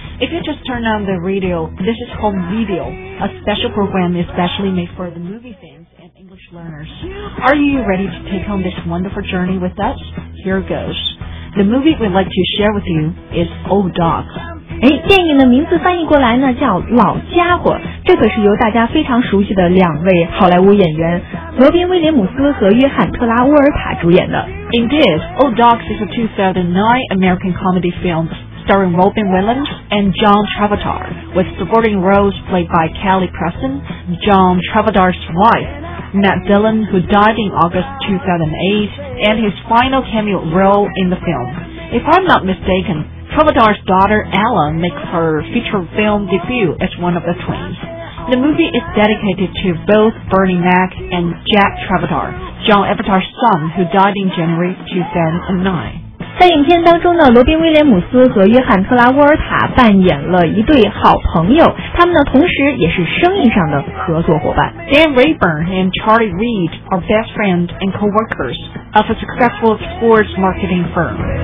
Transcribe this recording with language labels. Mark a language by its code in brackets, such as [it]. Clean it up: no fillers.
[en] If you just turn on the radio, this is Home Video, a special program especially made for the movie fans and English learners. Are you ready to take home this wonderful journey with us? Here goes. The movie we'd like to share with you is Old Dog. [zh] 电影的名字翻译过来呢叫老家伙，这可是由大家非常熟悉的两位好莱坞演员罗宾威廉姆斯和约翰特拉沃尔塔主演的。 [en] Indeed, Old Dog is a 2009 American comedy film. Starring Robin Williams and John Travolta, with supporting roles played by Kelly Preston, John Travolta's wife, Matt Dillon, who died in August 2008, and his final cameo role in the film. If I'm not mistaken, Travolta's daughter Ella makes her feature film debut as one of the twins. The movie is dedicated to both Bernie Mac and Jack Travolta, John Travolta's son, who died in January 2009. [zh] 在影片当中呢，罗宾威廉姆斯和约翰特拉沃尔塔扮演了一对好朋友，他们呢同时也是生意上的合作伙伴。 [en] Dan Rayburn and Charlie Reed are best friends and co-workers of a successful sports marketing firm.